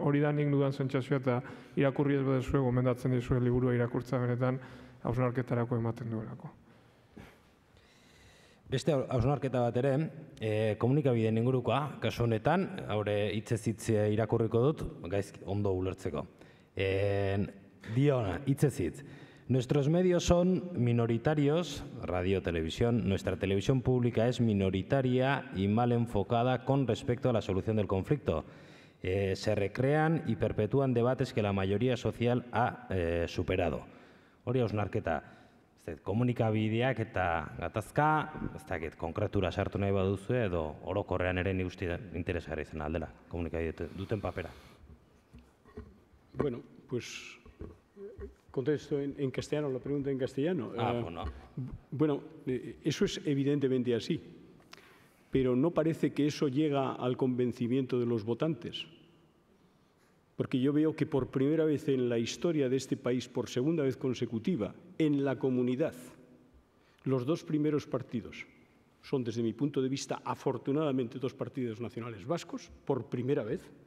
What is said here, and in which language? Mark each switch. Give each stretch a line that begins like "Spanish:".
Basque: Hori da nik dudan sentsazioa eta irakurri ez badezue gomendatzen dizue liburua irakurtza benetan hausnarketarako ematen duelako. Beste hausnarketa bat ere, komunikabideen ingurukoa, kasu honetan, haure hitzez hitz irakurriko dut, gaizki ondo ulertzeko. Dio, hitzez hitz.
Spanish: Nuestros medios son minoritarios, radio, televisión. Nuestra televisión pública es minoritaria y mal enfocada con respecto a la solución del conflicto. Se recrean y perpetúan debates que la mayoría social ha superado.
Basque: Hori hausnarketa, komunikabideak eta gatazka, ez dakit, konkretura sartu nahi baduzu edo orokorrean ere nire interesgarri izan aldela, komunikabide duten papera.
Spanish: Bueno, pues contesto en castellano, la pregunta en castellano. Bueno, eso es evidentemente así, pero no parece que eso llega al convencimiento de los votantes. Porque yo veo que por primera vez en la historia de este país, por segunda vez consecutiva, en la comunidad, los dos primeros partidos son, desde mi punto de vista, afortunadamente, dos partidos nacionales vascos, por primera vez.